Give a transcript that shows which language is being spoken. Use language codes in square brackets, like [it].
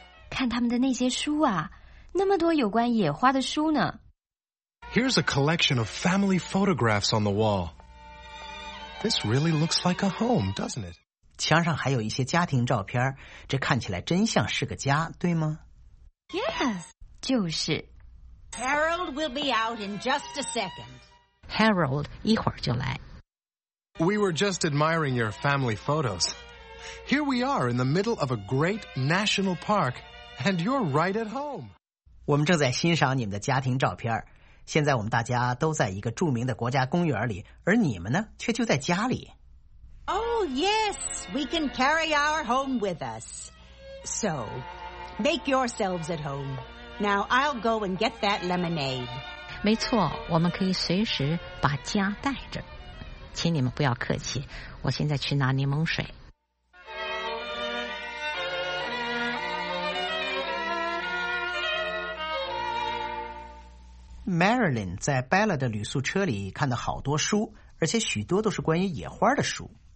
[zh] 看他们的那些书啊，那么多有关野花的书呢。 [en] Here's a collection of family photographs on the wall. This really looks like a home, doesn't it? [zh] 墙上还有一些家庭照片，这看起来真像是个家，对吗？ [en] Yes, [zh] 就是。 [en] Harold will be out in just a second. [zh] Harold 一会儿就来。 [en] We were just admiring your family photos. Here we are in the middle of a great national park, and you're right at home. [zh] 我们正在欣赏你们的家庭照片，现在我们大家都在一个著名的国家公园里，而你们呢，却就在家里。 [en] Oh, yes, we can carry our home with us. So, make yourselves at home. Now, I'll go and get that lemonade. [zh] 没错，我们可以随时把家带着。请你们不要客气，我现在去拿柠檬水。 Marilyn 在 Bella 的旅宿车里看到好多书，而且许多都是关于野花的书。